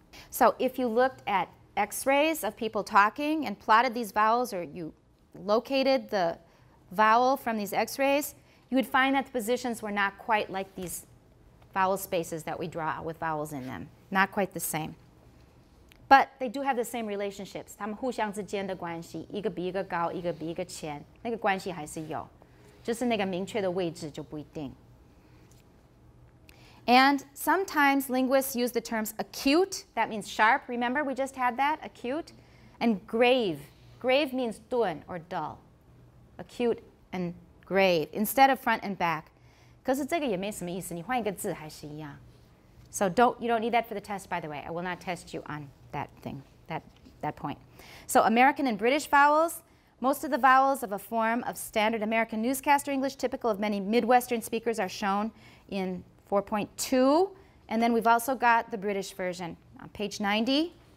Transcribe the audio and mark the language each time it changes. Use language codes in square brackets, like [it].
[en] So if you looked at x-rays of people talking and plotted these vowels, or you located the vowel from these x-rays, you would find that the positions were not quite like these vowel spaces that we draw with vowels in them. Not quite the same. But they do have the same relationships. [zh] 他们互相之间的关系, 一个比一个高, 一个比一个浅, 那个关系还是有, 就是那个明确的位置就不一定. [en] And sometimes linguists use the terms acute, that means sharp, remember we just had that, acute, and grave. Grave means dun or dull. Acute and grave, instead of front and back. [zh] 可是这个也没什么意思,你换一个字还是一样. [en] So you don't need that for the test, by the way. I will not test you on that thing, that point. So American and British vowels, most of the vowels of a form of standard American newscaster English, typical of many Midwestern speakers, are shown in 4.2. And then we've also got the British version on page 90.